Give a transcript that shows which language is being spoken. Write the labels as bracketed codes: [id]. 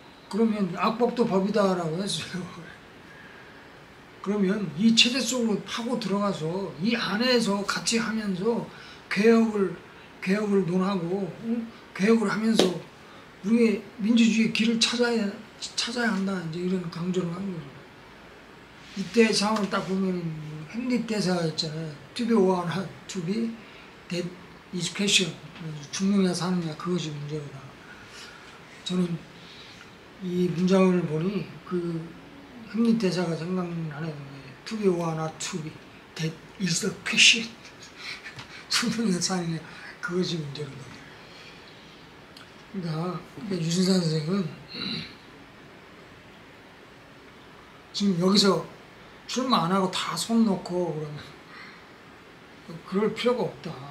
[ko] 그러면 악법도 법이다라고 했어요. 그러면 이 체제 속으로 파고 들어가서 이 안에서 같이 하면서 개혁을 논하고 응? 개혁을 하면서 우리의 민주주의의 길을 찾아야 한다. 이제 이런 강조를 한 거죠. 이때 상황을 딱 보면 헨리 대사가 있잖아요. [en] To be or not to be, that is question. [ko] 죽느냐 사느냐 그것이 문제다. 저는 이 문장을 보니 그 헨리 대사가 생각나네요. [en] To be or not to be, that is the question. [ko] 죽느냐 사느냐 그것이 문제다. 그러니까 유신사 선생은 지금 여기서 출마 안 하고 다 손 놓고 그러면 그럴 필요가 없다.